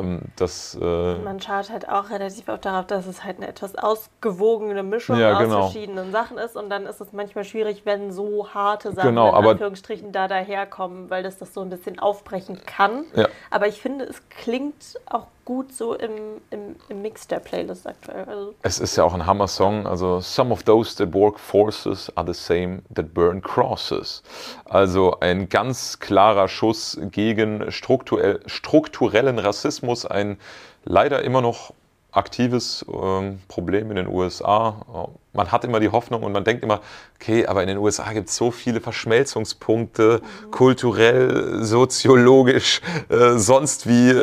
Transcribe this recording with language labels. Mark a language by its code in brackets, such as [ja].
[de] Man schaut halt auch relativ oft darauf, dass es halt eine etwas ausgewogene Mischung verschiedenen Sachen ist. Und dann ist es manchmal schwierig, wenn so harte Sachen in Anführungsstrichen da daherkommen, weil das so ein bisschen aufbrechen kann. Ja. Aber ich finde, es klingt auch gut so im Mix der Playlist aktuell. Also es ist ja auch ein Hammer-Song. [en] Also, some of those that work forces are the same that burn crosses. [de] Also, ein ganz klarer Schuss gegen strukturellen Rassismus. Ein leider immer noch aktives Problem in den USA. man hat immer die Hoffnung und man denkt immer, okay, aber in den USA gibt es so viele Verschmelzungspunkte, kulturell, soziologisch, sonst wie.